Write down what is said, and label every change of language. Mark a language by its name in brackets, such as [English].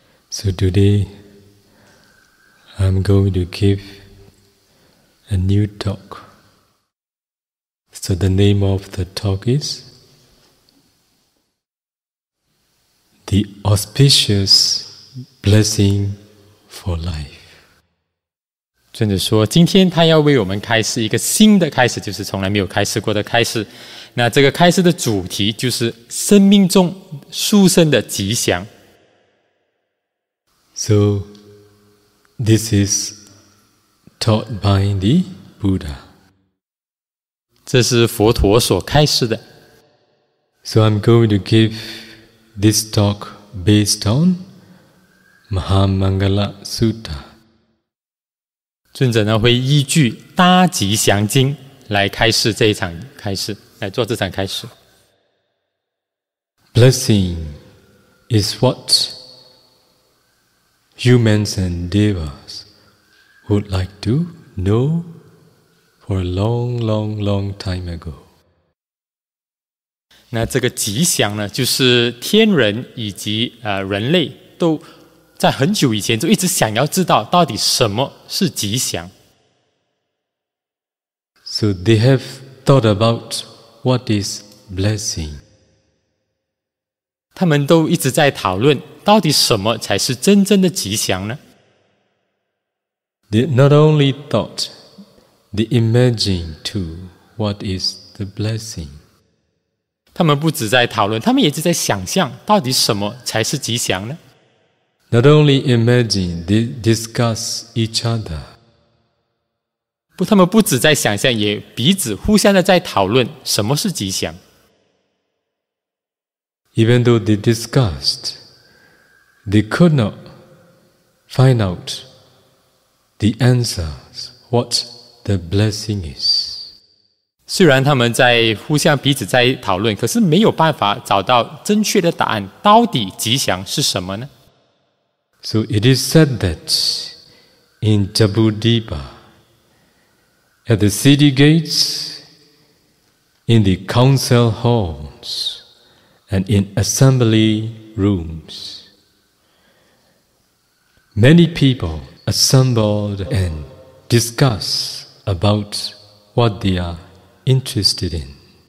[English] So today, I'm going to give a new talk. So the name of the talk is The Auspicious Blessing for life。 [Chinese] 尊者说今天他要为我们开示一个新的开示，就是从来没有开示过的开示。那这个开示的主题就是生命中殊胜的吉祥。 [English] So this is taught by the Buddha。 [Chinese] 这是佛陀所开示的。 [English] So I'm going to give this talk based on Mahamangala Sutta。 [Chinese] 尊者呢会依据大吉祥经来开示这一场开示，来做这场开示。 [English] Blessing is what humans and devas would like to know for a long, long, long time ago。 [Chinese] 那这个吉祥呢，就是天人以及人类都在很久以前就一直想要知道到底什么是吉祥。 [English] So they have thought about what is blessing。 [Chinese] 他们都一直在讨论到底什么才是真正的吉祥呢？ [English] They not only thought, they imagined too what is the blessing。 [Chinese] 他们不只在讨论，他们也一直在想象到底什么才是吉祥呢？ [English] Not only imagine, they discuss each other。 [Chinese] 不，他们不只在想象，也彼此互相的在讨论什么是吉祥。 [English] Even though they discussed, they could not find out the answers, what the blessing is。 [Chinese] 虽然他们在互相彼此在讨论，可是没有办法找到正确的答案，到底吉祥是什么呢？ [English] So it is said that in Jabudipa, at the city gates, in the council halls, and in assembly rooms, many people assembled and discussed about what they are interested in。